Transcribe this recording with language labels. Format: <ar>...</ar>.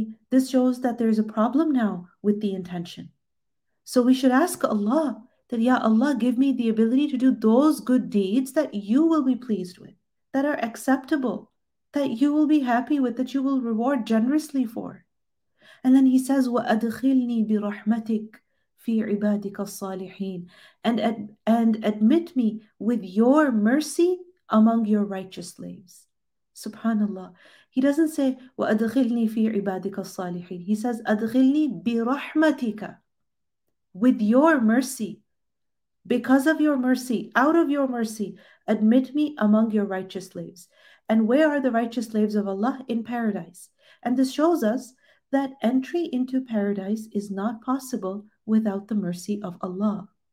<en>This shows that there's a problem now with the intention. So we should ask Allah that, Ya Allah, give me the ability to do those good deeds that you will be pleased with, that are acceptable, that you will be happy with, that you will reward generously for. And then he says,</en> <ar>وَأَدْخِلْنِي بِرَحْمَتِكَ فِي عِبَادِكَ الصَّالِحِينَ</ar> <en>and admit me with your mercy among your righteous slaves. Subhanallah. He doesn't say,</en> <ar>وَأَدْخِلْنِي فِي عِبَادِكَ الصَّالِحِينَ.</ar> <en>He says,</en> <ar>أَدْخِلْنِي بِرَحْمَتِكَ</ar> <en>with your mercy, because of your mercy, out of your mercy, admit me among your righteous slaves. And where are the righteous slaves of Allah? In paradise. And this shows us that entry into paradise is not possible without the mercy of Allah.</en>